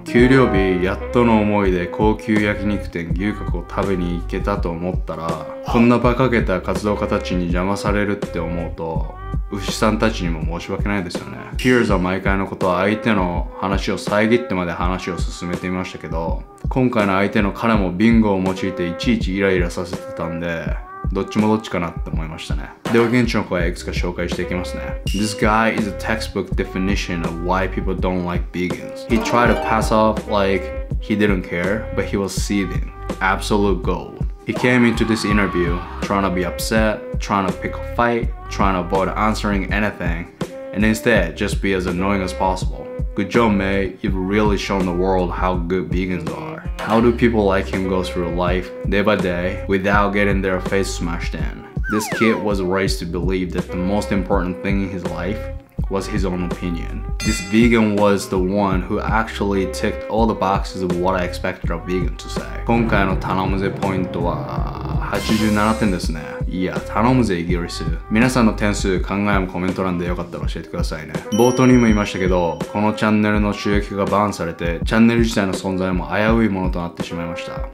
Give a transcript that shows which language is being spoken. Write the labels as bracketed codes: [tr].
[ja] 給料日、やっとの思いで高級焼肉店牛角を食べに行けたと思ったら、こんな馬鹿げた活動家たちに邪魔されるって思うと、牛さんたちにも申し訳ないですよね。ピアーズは毎回のことは相手の話を遮ってまで話を進めていましたけど、今回の相手の彼もビンゴを用いていちいちイライラさせてたんで、どっちもどっちかなって思いましたね。では現地の声をいくつか紹介していきますね。 [en] This guy is a textbook definition of why people don't like vegans. He tried to pass off like he didn't care, but he was seething. Absolute gold. He came into this interview trying to be upset, trying to pick a fight, trying to avoid answering anything, and instead just be as annoying as possible. Good job, mate. You've really shown the world how good vegans are. How do people like him go through life, day by day, without getting their face smashed in? This kid was raised to believe that the most important thing in his life was his own opinion. This vegan was the one who actually ticked all the boxes of what I expected a vegan to say. [ja] 今回の頼むぜポイントは87点ですね。いや、頼むぜイギリス。皆さんの点数、考えもコメント欄でよかったら教えてくださいね。冒頭にも言いましたけど、このチャンネルの収益がバーンされて、チャンネル自体の存在も危ういものとなってしまいました。